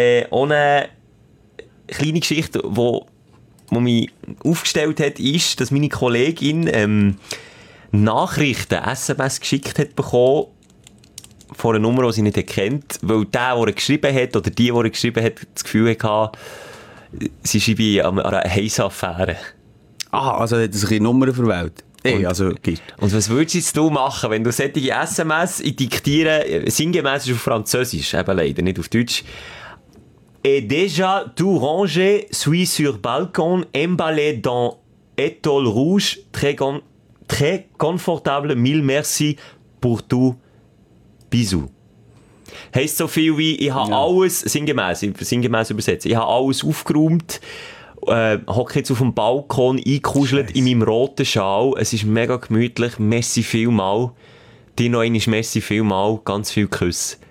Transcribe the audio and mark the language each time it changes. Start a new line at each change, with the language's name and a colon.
German: Ohne kleine Geschichte, die mich aufgestellt hat, ist, dass meine Kollegin, Nachrichten, SMS geschickt hat bekommen von einer Nummer, die sie nicht kennt, weil der, der geschrieben hat, oder die, die geschrieben hat, das Gefühl hatte, sie schreibe an einer Heissaffäre. Ah, also hat er sich die Nummer verwählt. Und was würdest du machen, wenn du solche SMS diktieren, sinngemäß ist auf Französisch, eben leider nicht auf Deutsch.
French: «Et déjà tout rangé, suis sur balcon, emballé dans étole rouge, très grand. Très confortable, mille merci pour tout, bisous.»
German: Heisst so viel wie, ich habe alles, sinngemäß übersetzt, ich habe alles aufgeräumt, hocke jetzt auf dem Balkon, eingekuschelt in meinem roten Schal, es ist mega gemütlich, merci vielmal, dir noch einmal merci vielmal, ganz viel Küsse.